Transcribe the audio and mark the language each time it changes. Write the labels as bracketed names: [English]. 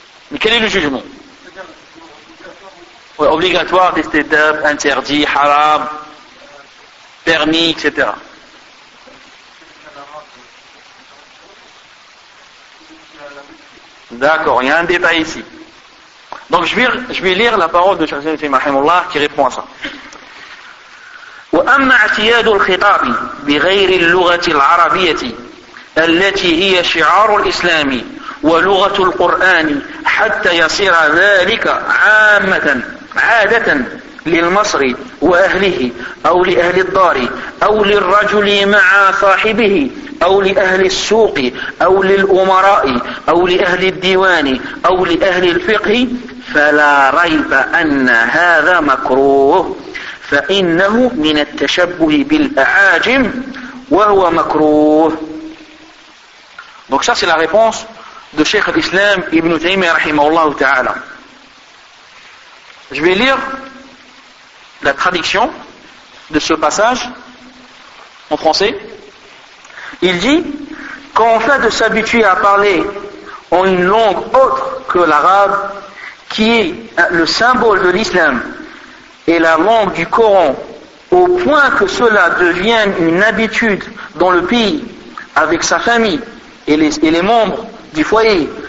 [French] Mais quel est le jugement ? Ouais, obligatoire, testé d'âme, interdit, haram, permis, etc. D'accord, il y a un détail ici. Donc je vais lire la parole de Cheikh Zayn Ibn Rahimullah qui répond à ça. [Arabic] وأما اعتياد الخطاب بغير اللغة العربية التي هي شعار الإسلام ولغة القرآن حتى يصير ذلك عامة عادة للمصري وأهله أو لأهل الدار أو للرجل مع صاحبه أو لأهل السوق أو للأمراء أو لأهل الديوان أو لأهل الفقه فلا ريب أن هذا مكروه فإنه من التشبه بالأعاجم وهو مكروه. [French] Donc ça c'est la réponse de Cheikh Islam Ibn Taymiyyah rahimahullah ta'ala. Je vais lire la traduction de ce passage en français. Il dit, quand on fait de s'habituer à parler en une langue autre que l'arabe, qui est le symbole de l'islam et la langue du Coran, au point que cela devienne une habitude dans le pays, avec sa famille et les membres du foyer,